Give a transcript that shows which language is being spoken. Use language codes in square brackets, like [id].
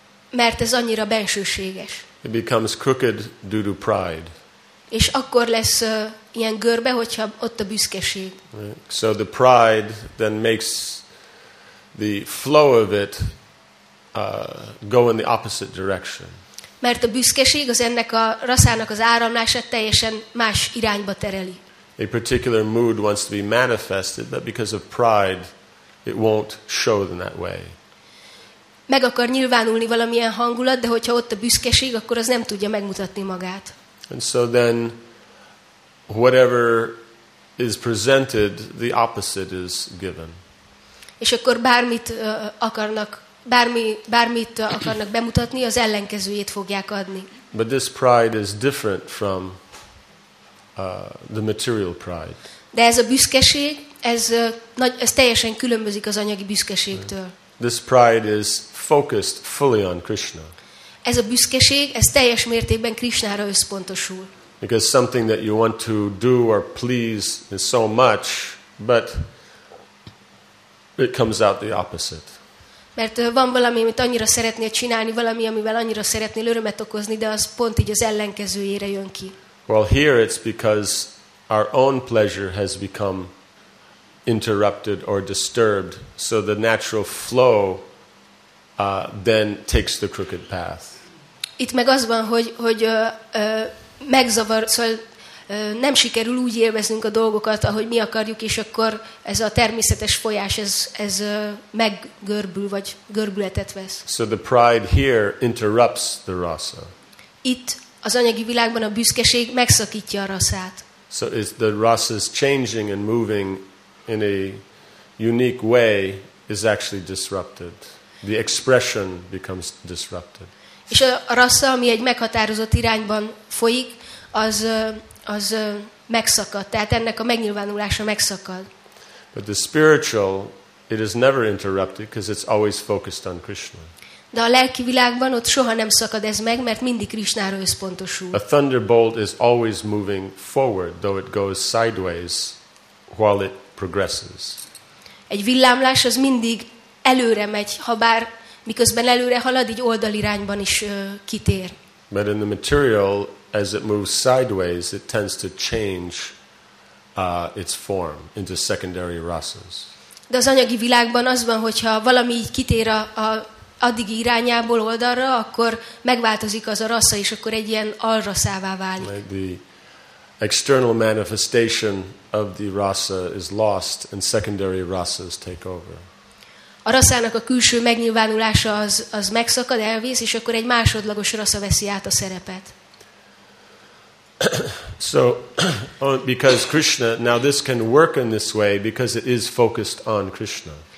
[hu] Mert ez annyira bensőséges. [en] It becomes crooked due to pride. [hu] És akkor lesz ilyen görbe, hogyha ott a büszkeség. [en] Right. So the pride then makes the flow of it go in the opposite direction. [hu] Mert a büszkeség az ennek a raszának az áramlását teljesen más irányba tereli. [en] A particular mood wants to be manifested, but because of pride, it won't show in that way. [hu] Meg akar nyilvánulni valamilyen hangulat, de hogyha ott a büszkeség, akkor az nem tudja megmutatni magát. [en] And so then, whatever is presented, the opposite is given. [hu] És akkor bármit akarnak bemutatni, az ellenkezőjét fogják adni. [en] But this pride is different from the material pride. [hu] De ez a büszkeség, ez teljesen különbözik az anyagi büszkeségtől. [en] This pride is focused fully on Krishna. [hu] Ez a büszkeség, ez teljes mértékben Krishnára összpontosul. [en] Because something that you want to do or please is so much, But it comes out the opposite. [hu] Mert van valami, amit annyira szeretnél csinálni, valami, amivel annyira szeretnél örömet okozni, de az pont így az ellenkezőjére jön ki. [en] Well, here it's because our own pleasure has become interrupted or disturbed, so the natural flow then takes the crooked path. [hu] Itt meg az van, hogy megzavar, szóval nem sikerül úgy élveznünk a dolgokat, ahogy mi akarjuk, és akkor ez a természetes folyás ez meggörbül vagy görbületet vesz. [en] So the pride here interrupts the rasa. [hu] Itt az anyagi világban a büszkeség megszakítja a rasát. [en] So is the rasa's changing and moving in a unique way is actually disrupted. The expression becomes disrupted. [hu] És a rasa, ami egy meghatározott irányban folyik, az megszakad, tehát ennek a megnyilvánulása megszakad. [en] But the spiritual, it is never interrupted because it's always focused on Krishna. [hu] De a lelki világban ott soha nem szakad ez meg, mert mindig Krishnára összpontosul. [en] A thunderbolt is always moving forward, though it goes sideways while it progresses. [hu] Egy villámlás az mindig előre megy, habár miközben előre halad, így oldalirányban is kitér. [en] But in the material, as it moves sideways, it tends to change its form into secondary rasas. [hu] De az anyagi világban az van, hogyha valami így kitér a addigi irányából oldalra, akkor megváltozik az a rasza, és akkor egy ilyen alraszává válik. [en] Like the external manifestation of the rasa is lost, and secondary rasas take over. [hu] A raszának a külső megnyilvánulása az megszakad, elvész, és akkor egy másodlagos rasza veszi át a szerepet. [en] So, because Krishna, now this can work in this way, because it is focused on Krishna.